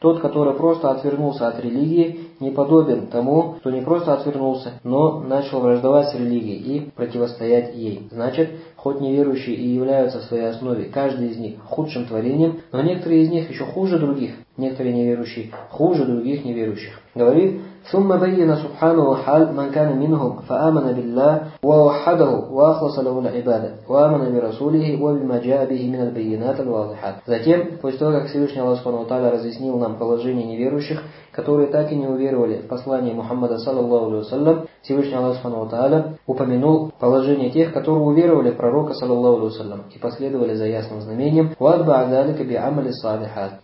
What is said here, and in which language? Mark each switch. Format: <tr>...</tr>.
<ru>Тот, который просто отвернулся от религии, не подобен тому, кто не просто отвернулся, но начал враждовать с религией и противостоять ей. Значит, хоть неверующие и являются в своей основе, каждый из них худшим творением, но некоторые из них еще хуже других. Некоторые неверующие хуже других неверующих. Говорит</ru> <ar>ثم بين سبحانه حال من كان منهم فآمن بالله ووحده وأخلص له العبادة وآمن برسوله وبما جاء به من البينات الواضحات.</ar> <ru>Затем, после того, как Всевышний Аллах Субхану Тааля разъяснил нам положение неверующих, которые так и не уверовали в послание Мухаммада саллаллаху алейхи ва саллям, Всевышний Аллах Субхану Тааля упомянул положение тех, которые уверовали в пророка саллаллаху алейхи ва саллям и последовали за ясным знамением,</ru> <ar>ва атбаъ дзалика би амали салихат.</ar>